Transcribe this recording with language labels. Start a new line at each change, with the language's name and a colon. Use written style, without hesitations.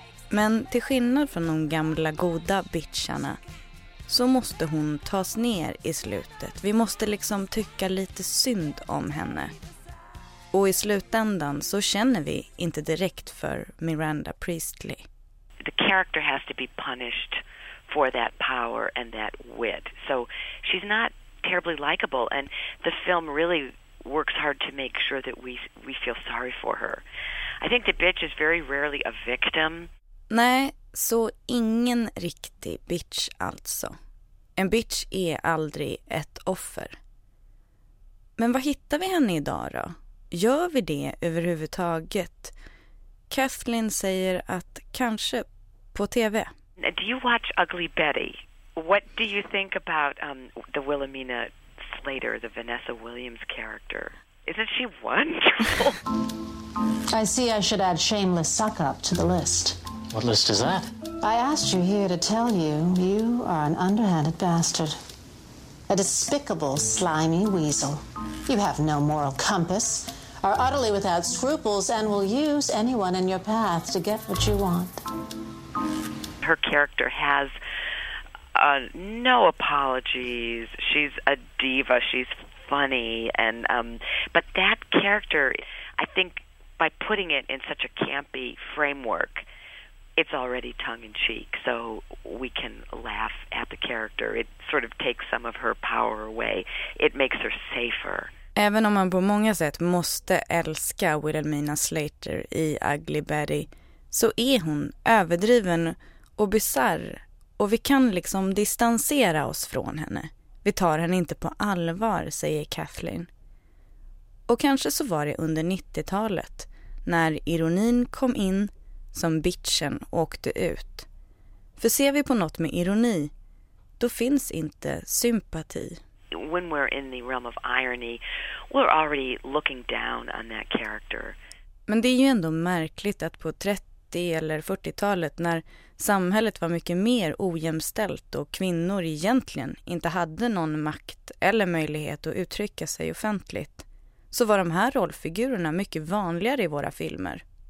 Swedish: Men till skillnad från de gamla goda bitcharna så måste hon tas ner i slutet. Vi måste liksom tycka lite synd om henne. Och i slutändan så känner vi inte direkt för Miranda Priestly.
English: The character has to be punished for that power and that wit. So she's not terribly likable, and the film really works hard to make sure that we feel sorry for her. I think the bitch is very rarely a victim.
Swedish: Nej, så ingen riktig bitch alltså. En bitch är aldrig ett offer. Men vad hittar vi henne idag då? Gör vi det överhuvudtaget? Kathleen säger att kanske på tv.
English: Do you watch Ugly Betty? What do you think about the Wilhelmina Slater, the Vanessa Williams character? Isn't she wonderful? I see I should add Shameless Suck Up to the list. What list is that? I asked you here to tell you you are an underhanded bastard. A despicable, slimy weasel. You have no moral compass, are utterly without scruples, and will use anyone in your path to get what you want. Her character has no apologies. She's a diva. She's funny, and but that character, I think, by putting it in such a campy framework, it's already tongue in cheek. So we can laugh at the character. It sort of takes some of her power away. It makes her safer.
Swedish: Även om man på många sätt måste älska Wilhelmina Slater i Ugly Betty, så är hon överdriven och bizarr. Och vi kan liksom distansera oss från henne. Vi tar henne inte på allvar, säger Kathleen. Och kanske så var det under 90-talet, när ironin kom in som bitchen åkte ut. För ser vi på något med ironi, då finns inte sympati.
English: When we're in the realm of irony, we're already looking down on that character.
Swedish: Men det är ju ändå märkligt att på 30- eller 40-talet, när samhället var mycket mer ojämställt och kvinnor egentligen inte hade någon makt eller möjlighet att uttrycka sig offentligt, så var de här rollfigurerna mycket vanligare i våra filmer.